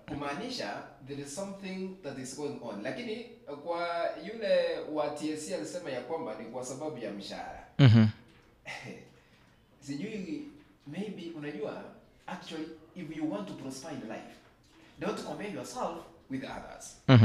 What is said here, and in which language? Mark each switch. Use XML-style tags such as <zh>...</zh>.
<sw>Kumaanisha</sw> <en>there is something that is going on.</en> <sw>Lakini kwa yule wa TSC alisema ya kwamba ni kwa sababu ya mshahara. Sijui,</sw> <en>maybe</en> <sw>unajua,</sw> <en>actually if you want to prosper in life, don't compare yourself with others.</en>